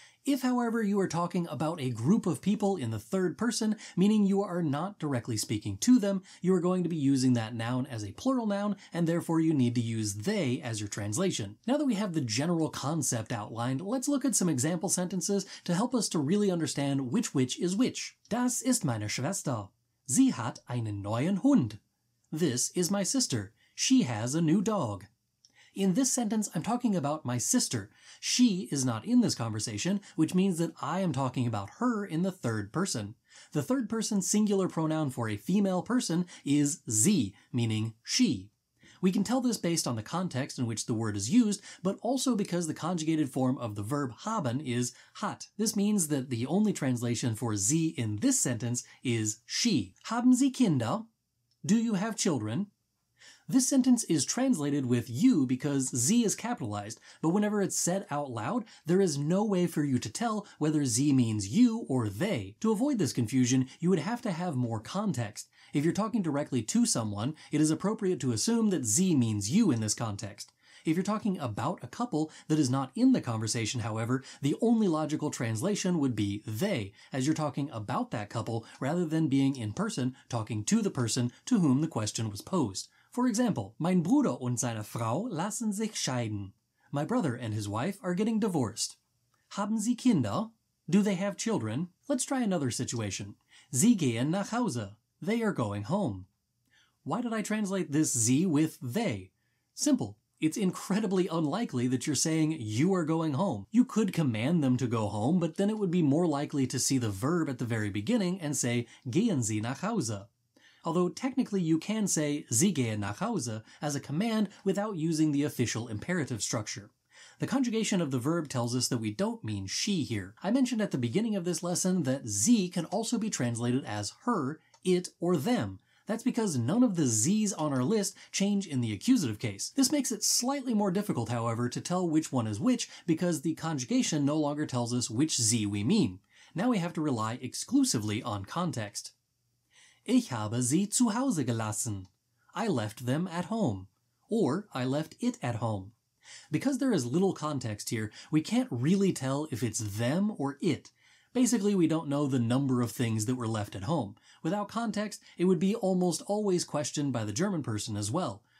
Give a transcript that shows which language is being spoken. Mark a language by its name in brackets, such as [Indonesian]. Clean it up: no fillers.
[English] If, however, you are talking about a group of people in the third person, meaning you are not directly speaking to them, you are going to be using that noun as a plural noun, and therefore you need to use they as your translation. Now that we have the general concept outlined, let's look at some example sentences to help us to really understand which is which. [German] Das ist meine Schwester. Sie hat einen neuen Hund. [English] This is my sister. She has a new dog. In this sentence, I'm talking about my sister. She is not in this conversation, which means that I am talking about her in the third person. The third person singular pronoun for a female person is sie, meaning she. We can tell this based on the context in which the word is used, but also because the conjugated form of the verb haben is hat. This means that the only translation for sie in this sentence is she. [German] Haben Sie Kinder? [English] Do you have children? This sentence is translated with you because Z is capitalized, but whenever it's said out loud, there is no way for you to tell whether Z means you or they. To avoid this confusion, you would have to have more context. If you're talking directly to someone, it is appropriate to assume that Z means you in this context. If you're talking about a couple that is not in the conversation, however, the only logical translation would be they, as you're talking about that couple rather than being in person talking to the person to whom the question was posed. For example, [German] mein Bruder und seine Frau lassen sich scheiden. [English] My brother and his wife are getting divorced. [German] Haben Sie Kinder? [English] Do they have children? Let's try another situation. [German] Sie gehen nach Hause. [English] They are going home. Why did I translate this Z with they? Simple. It's incredibly unlikely that you're saying you are going home. You could command them to go home, but then it would be more likely to see the verb at the very beginning and say [German] gehen Sie nach Hause. [English] Although technically you can say [German] Sie gehen nach Hause [English] as a command without using the official imperative structure. The conjugation of the verb tells us that we don't mean she here. I mentioned at the beginning of this lesson that Sie can also be translated as her, it, or them. That's because none of the Z's on our list change in the accusative case. This makes it slightly more difficult, however, to tell which one is which because the conjugation no longer tells us which Z we mean. Now we have to rely exclusively on context. [German] Ich habe sie zu Hause gelassen. [English] I left them at home. Or I left it at home. Because there is little context here, we can't really tell if it's them or it. Basically, we don't know the number of things that were left at home. Without context, it would be almost always questioned by the German person as well.